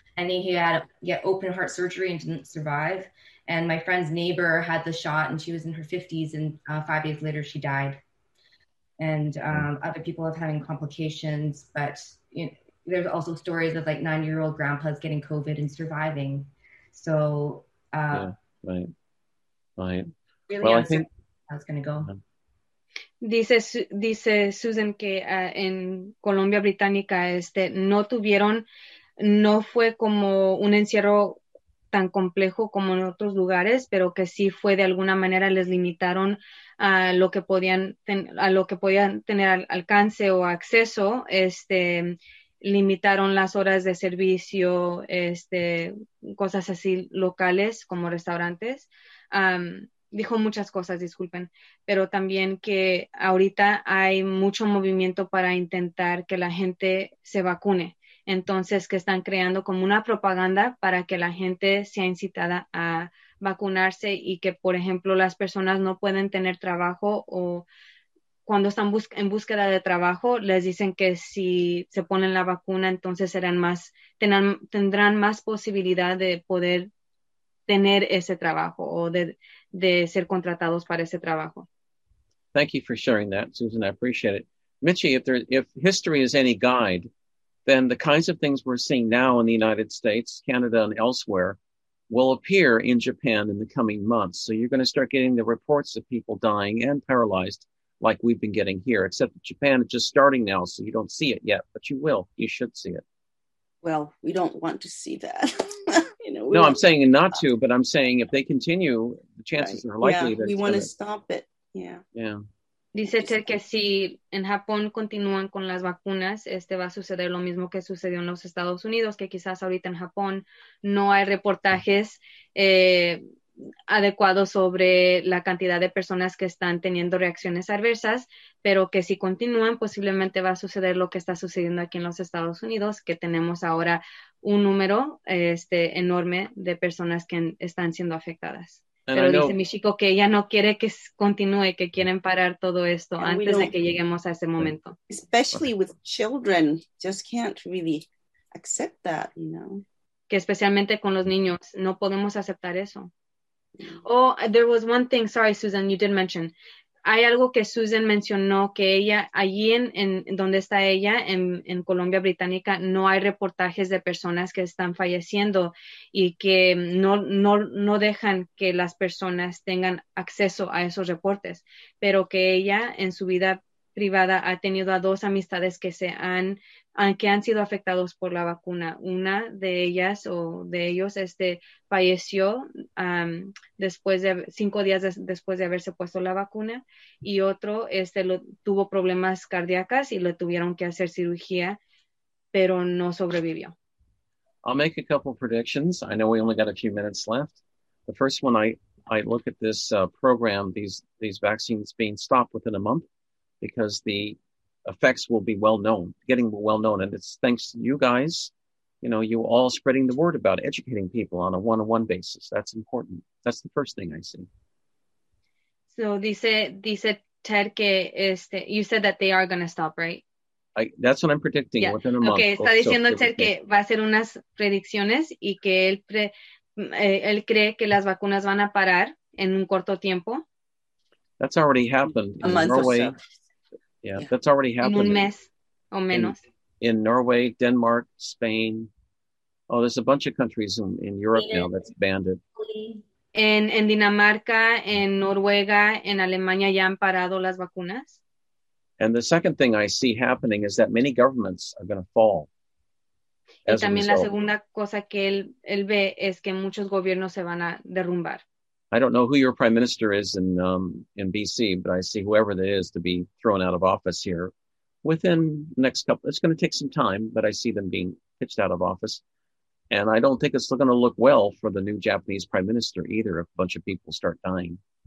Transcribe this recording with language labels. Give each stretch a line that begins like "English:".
English: And he had open heart surgery and didn't survive. And my friend's neighbor had the shot and she was in her 50s, and 5 days later she died. And other people have having complications, but you know, there's also stories of like 9-year-old grandpas getting COVID and surviving. So, Right. Really, well, I think how's going to go.
Spanish: Dice Susan que en Colombia Británica no tuvieron, no fue como un encierro tan complejo como en otros lugares, pero que sí fue de alguna manera les limitaron a lo que podían tener alcance o acceso, limitaron las horas de servicio, cosas así locales como restaurantes. Dijo muchas cosas, disculpen, pero también que ahorita hay mucho movimiento para intentar que la gente se vacune. Entonces, que están creando como una propaganda para que la gente sea incitada a vacunarse y que, por ejemplo, las personas no pueden tener trabajo o cuando están en búsqueda de trabajo, les dicen que si se ponen la vacuna, entonces tendrán más posibilidad de poder tener ese trabajo o de ser contratados para ese trabajo.
English: Thank you for sharing that, Susan. I appreciate it. Michi, if history is any guide, then the kinds of things we're seeing now in the United States, Canada, and elsewhere will appear in Japan in the coming months. So you're going to start getting the reports of people dying and paralyzed, like we've been getting here, except Japan is just starting now, so you don't see it yet, but you will. You should see it. Well, we don't want to see that. I'm saying not to, but I'm saying if they continue, the chances are likely that we want to stop it. Yeah. Yeah.
Spanish: Dice Ted que si en Japón continúan con las vacunas, va a suceder lo mismo que sucedió en los Estados Unidos, que quizás ahorita en Japón no hay reportajes adecuados sobre la cantidad de personas que están teniendo reacciones adversas, pero que si continúan, posiblemente va a suceder lo que está sucediendo aquí en los Estados Unidos, que tenemos ahora un número enorme de personas que están siendo afectadas. Pero dice mi chico que ella no quiere que continúe, que quieren parar todo esto antes de que lleguemos a ese momento.
English: Especially with children, just can't really accept that, you know.
Spanish: Que especialmente con los niños, no podemos aceptar eso.
English: Oh, there was one thing, sorry, Susan, you did mention.
Spanish: Hay algo que Susan mencionó, que ella, allí en donde está ella, en Colombia Británica, no hay reportajes de personas que están falleciendo y que no dejan que las personas tengan acceso a esos reportes, pero que ella en su vida privada ha tenido a dos amistades que han sido afectados por la vacuna. Una de ellas o de ellos falleció después de haberse puesto la vacuna, y otro tuvo problemas cardíacos y le tuvieron que hacer cirugía, pero no sobrevivió.
English: I'll make a couple predictions. I know we only got a few minutes left. The first one, I look at this program, these vaccines being stopped within a month, because the effects will be well known, getting well known. And it's thanks to you guys, you know, you all spreading the word about educating people on a one-on-one basis. That's important. That's the first thing I see. So
Spanish: dice Ted que
English: you said that they are going to stop, right? That's what I'm predicting. Yeah. Within a month.
Spanish: Okay, está diciendo Ted que va a hacer unas predicciones y que él cree que las vacunas van a parar en un corto tiempo.
English: That's already happened in Norway. Yeah, that's already happened.
Spanish: En un mes o menos.
English: In Norway, Denmark, Spain. Oh, there's a bunch of countries in Europe now that's banned it.
Spanish: En Dinamarca, en Noruega, en Alemania ya han parado las vacunas.
English: And the second thing I see happening is that many governments are going to fall.
Spanish: Y también la segunda cosa que él ve es que muchos gobiernos se van a derrumbar.
English: I don't know who your prime minister is in BC, but I see whoever that is to be thrown out of office here within the next couple. It's going to take some time, but I see them being pitched out of office. And I don't think it's going to look well for the new Japanese prime minister either if a bunch of people start dying.